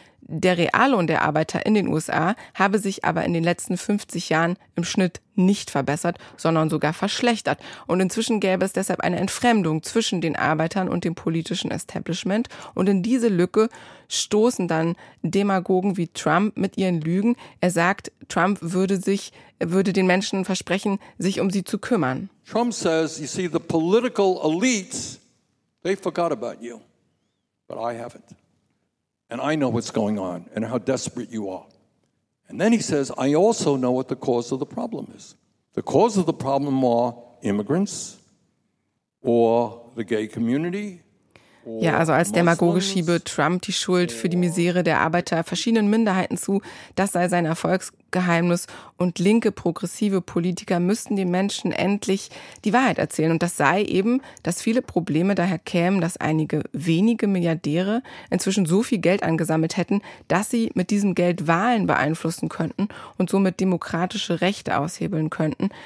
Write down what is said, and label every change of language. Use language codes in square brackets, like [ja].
[de] Der Reallohn der Arbeiter in den USA habe sich aber in den letzten 50 Jahren im Schnitt nicht verbessert, sondern sogar verschlechtert. Und inzwischen gäbe es deshalb eine Entfremdung zwischen den Arbeitern und dem politischen Establishment. Und in diese Lücke stoßen dann Demagogen wie Trump mit ihren Lügen. Er sagt, Trump würde den Menschen versprechen, sich um sie zu kümmern. [en] Trump says, you see, the political elites, they forgot about you, but I haven't. And I know what's going on and how desperate you are. And then he says, I also know what the cause of the problem is. The cause of the problem are immigrants or the gay community. [de] Ja, also als Demagoge schiebe Trump die Schuld für die Misere der Arbeiter verschiedenen Minderheiten zu. Das sei sein Erfolgsgeheimnis. Und linke, progressive Politiker müssten den Menschen endlich die Wahrheit erzählen. Und das sei eben, dass viele Probleme daher kämen, dass einige wenige Milliardäre inzwischen so viel Geld angesammelt hätten, dass sie mit diesem Geld Wahlen beeinflussen könnten und somit demokratische Rechte aushebeln könnten.